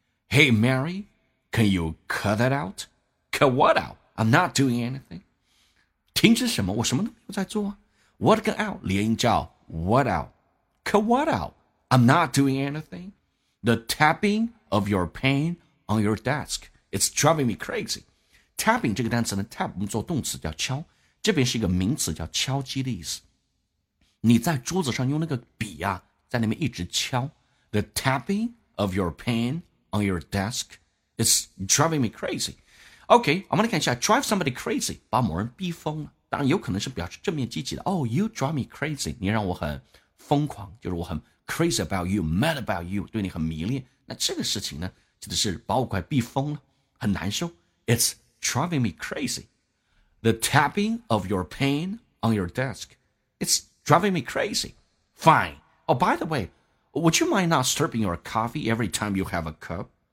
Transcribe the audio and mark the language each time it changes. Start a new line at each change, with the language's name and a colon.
English: Hey, Mary, can you cut that out? Cut what out? I'm not doing anything.
Chinese: 停止什么？我什么都没有在做。
English: What got out?
Chinese: 连音叫
English: what out? Cut what out? I'm not doing anything. The tapping of your pen on your desk. It's driving me crazy.
Chinese: Tapping 这个单词呢 ,tap 我们做动词叫敲。这边是一个名词叫敲击的意思。你在桌子上用那个笔啊在那边一直敲。
English: The tapping of your pen on your desk. It's driving me crazy. OK,
Chinese: 我们来看一下
English: drive somebody crazy,
Chinese: 把某人逼疯了。当然有可能是表示正面积极的。
English: Oh, you drive me crazy,
Chinese: 你让我很疯狂，就是我很
English: crazy about you, mad about you,
Chinese: 对你很迷恋。那这个事情呢指的是把我快逼疯了，很难受。
English: It's driving me crazy. The tapping of your pen on your desk, it's driving me crazy. Fine. Oh, by the way, would you mind not stirring your coffee every time you have a cup?